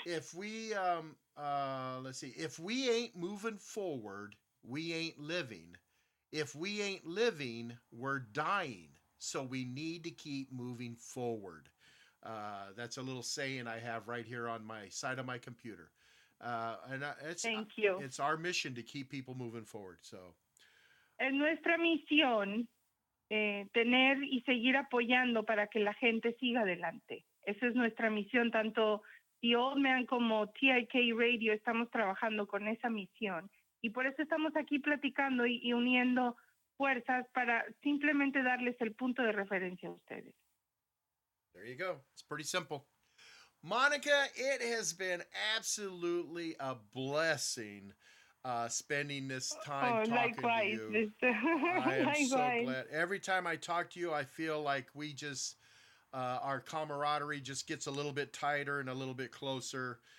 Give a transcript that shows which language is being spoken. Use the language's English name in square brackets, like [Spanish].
[English] If we, let's see, if we ain't moving forward, we ain't living. If we ain't living, we're dying. So we need to keep moving forward. That's a little saying I have right here on my side of my computer. Thank you. It's our mission to keep people moving forward. So, [Spanish] es nuestra misión tener y seguir apoyando para que la gente siga adelante. Esa es nuestra misión. Tanto The Old Man como TIK Radio estamos trabajando con esa misión. Y por eso estamos aquí platicando y uniendo fuerzas para simplemente darles el punto de referencia a ustedes. [English] There you go. It's pretty simple. Monica, it has been absolutely a blessing spending this time talking to you. Likewise. I am so glad. Every time I talk to you, I feel like we just, our camaraderie just gets a little bit tighter and a little bit closer.